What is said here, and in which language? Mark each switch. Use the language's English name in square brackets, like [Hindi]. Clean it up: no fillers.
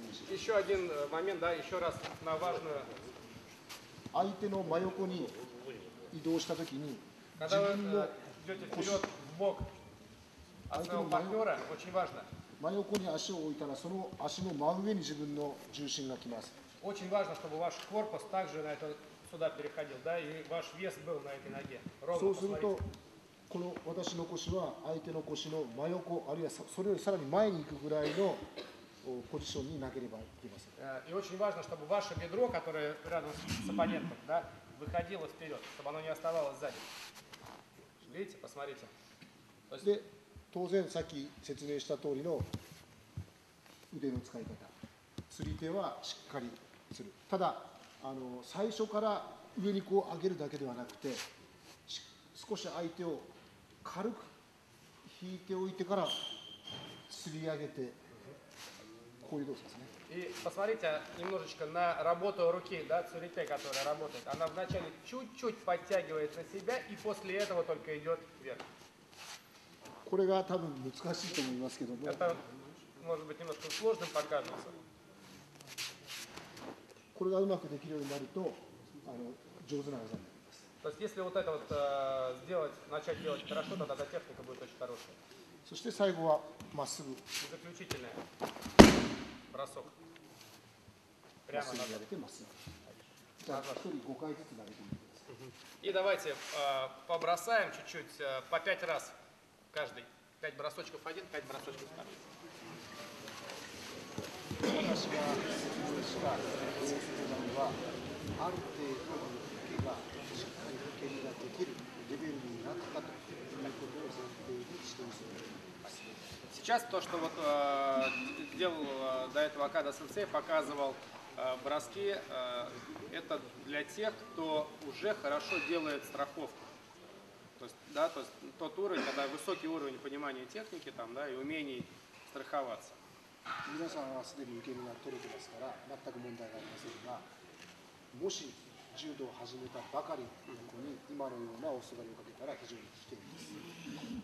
[Russian] Еще один момент, да, еще раз на важную. Когда вы идете вперед в бок одного партнера, очень важно. [Japanese] 真横に足を置いたら、その足の真上に自分の重心が来ます。 [Russian] Очень важно, чтобы ваш корпус также на это сюда переходил, да, и ваш вес был на этой ноге. Ровно [Japanese] そうすると、この私の腰は相手の腰の真横、あるいはそれよりさらに前に行くぐらいのポジションになければいけません。 [Russian] И очень важно, чтобы ваше бедро, которое рядом с оппонентом, да, выходило вперед, чтобы оно не оставалось сзади. Видите, посмотрите. [Japanese] で、当然さっき説明した通りの腕の使い方。釣り手はしっかりする。ただ最初から上にこう上げるだけではなくて、少し相手を軽く引いておいてから釣り上げてこういう動作ですね。 [Russian] И посмотрите немножечко на работу руки, да, цурите, которая работает. Она вначале чуть-чуть подтягивает на себя и после этого только идет вверх. [Japanese] これが多分難しいと思いますけども。 [Russian] Это может быть немножко сложным покажется. [Japanese] これがうまくできるようになると上手な技になります。 [Russian] То есть если вот это вот сделать, начать делать хорошо, то тогда техника будет очень хорошая. [Japanese] そして最後はまっすぐ。 [Russian] Заключительное. Бросок. Прямо на ноги. Ты массаж. Да, 5 раз [Japanese] ずつ投げてみてください。 [Russian] И давайте побросаем чуть-чуть по 5 раз каждый. 5 бросочков один, 5 бросочков два. [Japanese] 私が説明した動作なのは、ある程度の受けがしっかり受けができるレベルになったということを前提にしてます。 [Russian] Сейчас то, что вот делал до этого Акада сенсей, показывал броски, это для тех, кто уже хорошо делает страховку. То есть, да, то есть тот уровень, когда высокий уровень понимания техники там, да, и умений страховаться. [Japanese] 皆さんはすでに受け身が取れてますから全く問題がありませんがもし柔道を始めたばかりの子に今のようなお座りをかけたら非常に危険です。